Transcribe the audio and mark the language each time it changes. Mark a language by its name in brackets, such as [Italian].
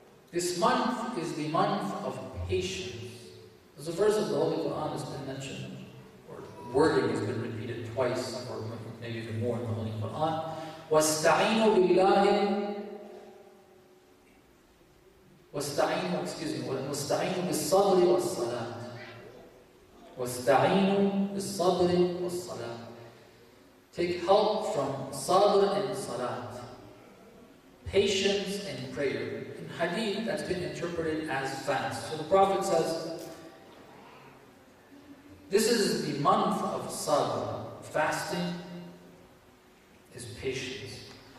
[English] This month is the month of patience. There's a verse of the Holy Quran that's been mentioned, or wording has been repeated twice, or maybe even more in the Holy Quran. [Arabic] وَاسْتَعِينُوا بِاللَّهِ وَاسْتَعِينُوا, [English] excuse me, [Arabic] وَاسْتَعِينُوا بِالصَّبْرِ وَالصَّلَاةِ وَاسْتَعِينُوا بِالصَّبْرِ وَالصَّلَاةِ. [English] Take help from sabr and salat, patience and prayer. In hadith, that's been interpreted as fast. So the Prophet says, this is the month of sabr. Fasting is patience.